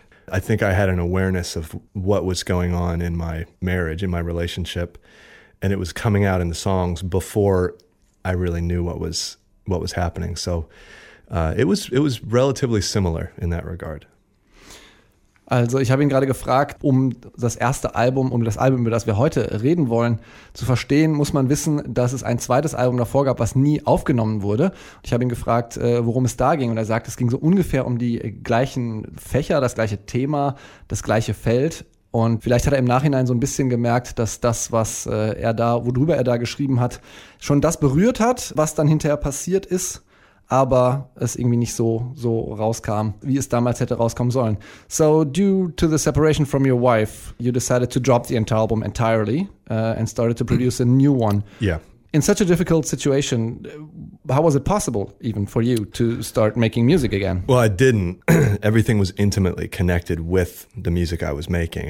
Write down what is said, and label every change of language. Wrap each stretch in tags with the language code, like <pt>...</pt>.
<en>I think I had an awareness of what was going on in my marriage, in my relationship, and it was coming out in the songs before I really knew what was happening. So it was relatively similar in that regard.</en> <de>Also ich habe ihn gerade gefragt, um das Album, über das wir heute reden wollen, zu verstehen, muss man wissen, dass es ein zweites Album davor gab, was nie aufgenommen wurde. Ich habe ihn gefragt, worum es da ging. Und er sagt, es ging so ungefähr um die gleichen Fächer, das gleiche Thema, das gleiche Feld. Und vielleicht hat er im Nachhinein so ein bisschen gemerkt, dass das, was er da, worüber er da geschrieben hat, schon das berührt hat, was dann hinterher passiert ist, aber es irgendwie nicht so rauskam, wie es damals hätte rauskommen sollen.</de> <en>So due to the separation from your wife, you decided to drop the entire album entirely and started to produce a new one. Yeah. In such a difficult situation, how was it possible even for you to start making music again? Well, I didn't. Everything was intimately connected with the music I was making.</en>